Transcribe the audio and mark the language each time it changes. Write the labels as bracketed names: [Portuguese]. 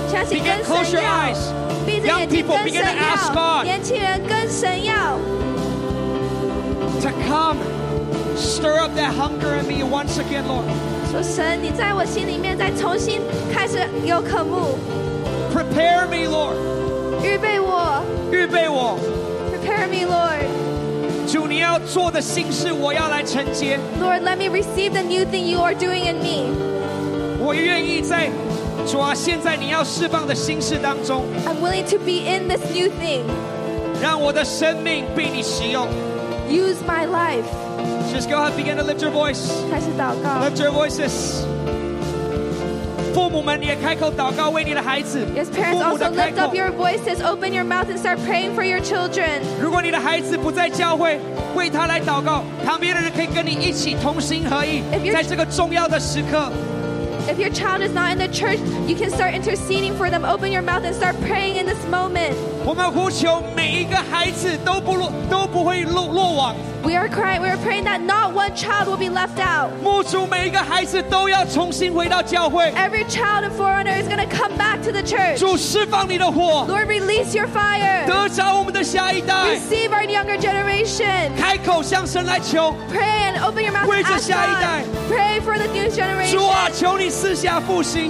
[English] Begin to close your eyes. Young people, begin to ask God to come stir up that hunger in me once again, Lord. [Chinese] 说神，你在我心里面再重新开始有渴慕。 [English] Prepare me, Lord. [Chinese] 预备我。预备我。 [English] Prepare me, Lord. [Chinese] 主，你要做的新事，我要来承接。 [English] Lord, let me receive the new thing you are doing in me. [Chinese] 我愿意在主啊，现在你要释放的新事当中。 [English] I'm willing to be in this new thing. [Chinese] 让我的生命被你使用。 [English] Use my life. Just go ahead, begin to lift your voice. [Chinese] 开始祷告。 [English] Lift your voices. [Chinese] 父母们，你也开口祷告为你的孩子。 [English] Yes, parents, also lift up your voices, open your mouth, and start praying for your children. [Chinese] 如果你的孩子不在教会，为他来祷告，旁边的人可以跟你一起同心合意，在这个重要的时刻。 [English] If your child is not in the church, you can start interceding for them. Open your mouth and start praying in this moment. [Chinese] 我们呼求每一个孩子都不会落网。 [English] We are praying that not one child will be left out. [Chinese] 牧主，每一个孩子都要重新回到教会。 [English] Every child of foreigner is going to come back to the church. [Chinese] 主，释放你的火。 [English] Lord, release your fire. [Chinese] 得着我们的下一代。 [English] Receive our younger generation. [Chinese] 开口向神来求。 [English] Pray and open your mouth to ask God. [Chinese] 为着下一代。 [English] Pray for the new generation. [Chinese] 主啊，求你赐下复兴。